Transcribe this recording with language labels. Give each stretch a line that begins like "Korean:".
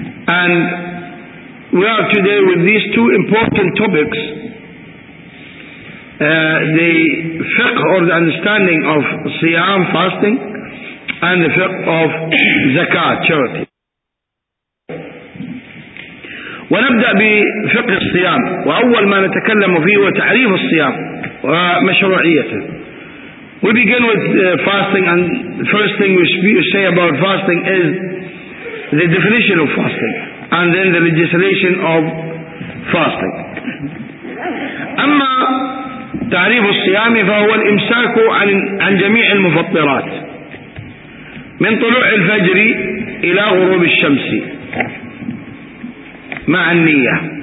English: And we are today with these two important topics, the fiqh or the understanding of siyam, fasting, and the fiqh of zakat, charity.
Arabic: ونبدأ بفقه الصيام وأول ما نتكلم فيه هو تعريف الصيام ومشروعيته.
English: We begin with fasting, and the first thing we say about fasting is the definition of fasting, and then the legislation of fasting.
Arabic: أما تعريف الصيام فهو الإمساك عن جميع المفطرات من طلوع الفجر إلى غروب الشمس مع النية.